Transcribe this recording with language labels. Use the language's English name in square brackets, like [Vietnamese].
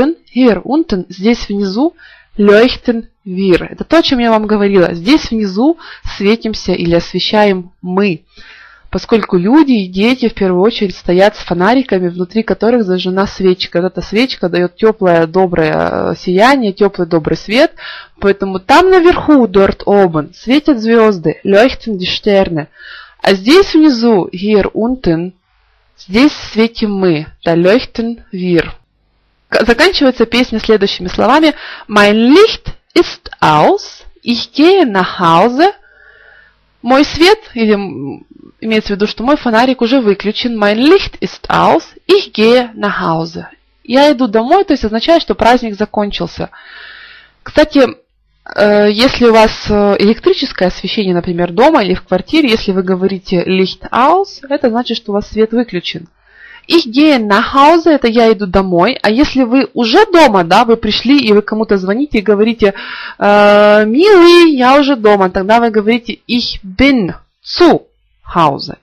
[German] Hier unten, [Russian] здесь внизу, [German] leuchten wir. [Russian] Это то, о чем я вам говорила. Здесь внизу светимся или освещаем мы. Поскольку люди и дети в первую очередь стоят с фонариками, внутри которых зажжена свечка. Вот эта свечка дает теплое, доброе сияние, теплый, добрый свет. Поэтому там наверху, [German] dort oben, [Russian] светят звезды, [German] leuchten die Sterne. [Russian] А здесь внизу, [German] hier unten, [Russian] здесь светим мы, [German] da leuchten wir. [Russian] Заканчивается песня следующими словами. [German] Mein Licht ist aus, ich gehe nach Hause. [Russian] Мой свет, или имеется в виду, что мой фонарик уже выключен. [German] Mein Licht ist aus, ich gehe nach Hause. [Russian] Я иду домой, то есть означает, что праздник закончился. Кстати, если у вас электрическое освещение, например, дома или в квартире, если вы говорите [German] Licht aus, [Russian] это значит, что у вас свет выключен. [German] Ich gehe nach Hause, [Russian] это я иду домой. А если вы уже дома, да, вы пришли и вы кому-то звоните и говорите «Милый, я уже дома», тогда вы говорите [German] «Ich bin zu Hause».